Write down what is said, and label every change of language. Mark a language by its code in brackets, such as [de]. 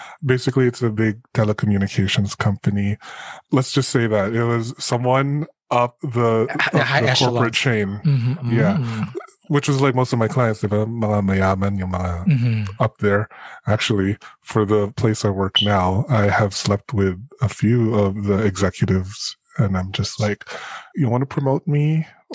[en] Basically, it's a big telecommunications company. Let's just say that. It was someone up the corporate chain. Mm-hmm. Yeah. Which was like most of my clients. [tl] Diba? Mga mayaman, yung mga up there. [en] Actually, for the place I work now, I have slept with a few of the executives. And I'm just like, you want to promote me?